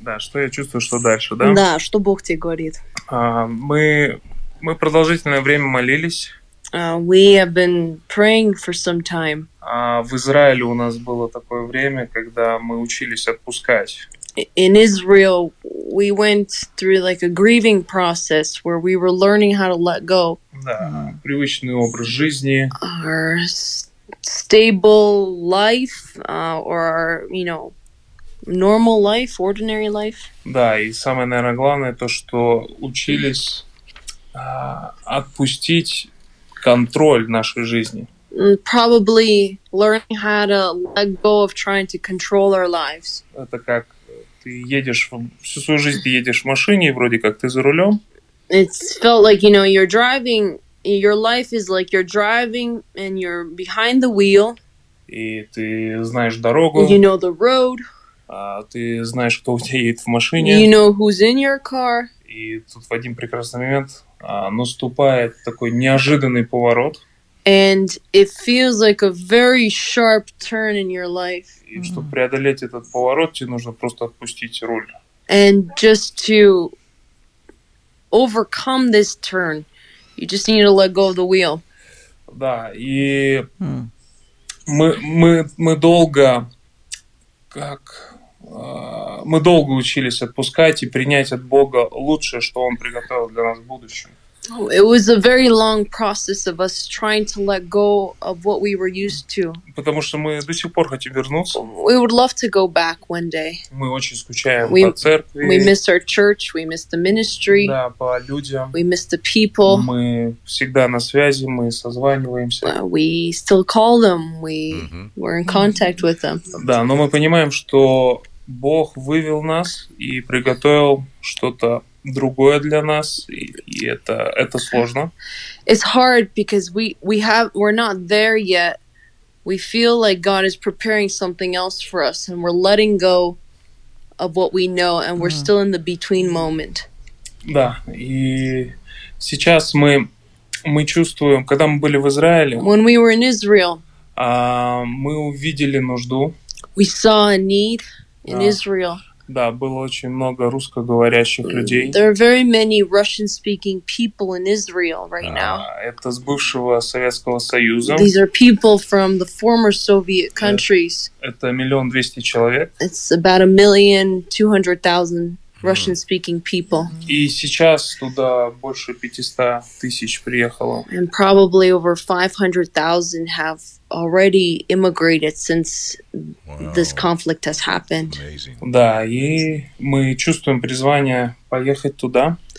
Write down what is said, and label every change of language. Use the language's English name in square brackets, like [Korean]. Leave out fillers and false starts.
[Russian] Да, что я чувствую, что дальше, да? Да, что Бог тебе говорит. Мы продолжительное время молились. [English] We have been praying for some time. [Russian] В Израиле у нас было такое время, когда мы учились отпускать. [English] In Israel, we went through like a grieving process where we were learning how to let go. [Russian] Да, привычный образ жизни. [English] Our stable life, or our, normal life, ordinary life. [Russian] Да, и самое, наверное, главное то, что учились отпустить контроль нашей жизни. [English] Probably learning how to let go of trying to control our lives. [Russian] Это как ты едешь всю свою жизнь ты едешь в машине, и вроде как ты за рулем. [English] It felt like you're driving. Your life is like you're driving and you're behind the wheel. [Russian] И ты знаешь дорогу. [English] You know the road. [Russian] А ты знаешь, кто у тебя едет в машине. [English] You know who's in your car. [Russian] И тут в один прекрасный момент наступает такой неожиданный поворот. [English] And it feels like a very sharp turn in your life. [Russian] И чтобы преодолеть этот поворот, тебе нужно просто отпустить руль. [English] And just to overcome this turn, you just need to let go of the wheel. [Russian] Да, и мы долго учились отпускать и принять от Бога лучшее, что Он приготовил для нас в будущем. [English] It was a very long process of us trying to let go of what we were used to. [Russian] Потому что мы до сих пор хотим вернуться. [English] We would love to go back one day. [Russian] Мы очень скучаем по церкви. [English] We miss our church, we miss the ministry. [Russian] Да, по людям. [English] We miss the people. [Russian] Мы всегда на связи, мы созваниваемся. [English] We still call them, we're in contact with them. [Russian] Да, но мы понимаем, что Бог вывел нас и приготовил что-то другое для нас, и это сложно. [English] It's hard because we're not there yet. We feel like God is preparing something else for us, and we're letting go of what we know, and we're still in the between moment. [Russian] Да, и сейчас мы чувствуем, когда мы были в Израиле, [English] when we were in Israel, [Russian] мы увидели нужду. [English] We saw a need in Israel. [Russian] Да, было очень много русскоговорящих людей. [English] There are very many Russian-speaking people in Israel right now. [Russian] Это с бывшего Советского Союза. [English] These are people from the former Soviet countries. [Russian] Это 1,200,000 человек. [English] It's about 1,200,000 Russian-speaking people. [Russian] И сейчас туда больше 500 тысяч приехало. [English] And probably over 500,000 have already immigrated since this conflict has happened. [Russian] Да, и мы чувствуем призвание поехать туда.